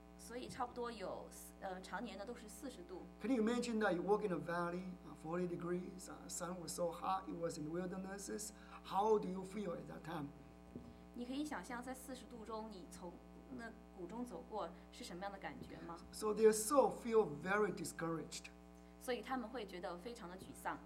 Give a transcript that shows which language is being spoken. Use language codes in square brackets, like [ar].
[zh] 所以差不多有常年的都是四十度。 [en] Can you imagine that you walk in a valley, 40 degrees, sun was so hot, it was in the wildernesses. How do you feel at that time? [zh] 你可以想象在四十度中你从那谷中走过是什么样的感觉吗？ [en] So their soul feel very discouraged. [zh] 所以他们会觉得非常的沮丧。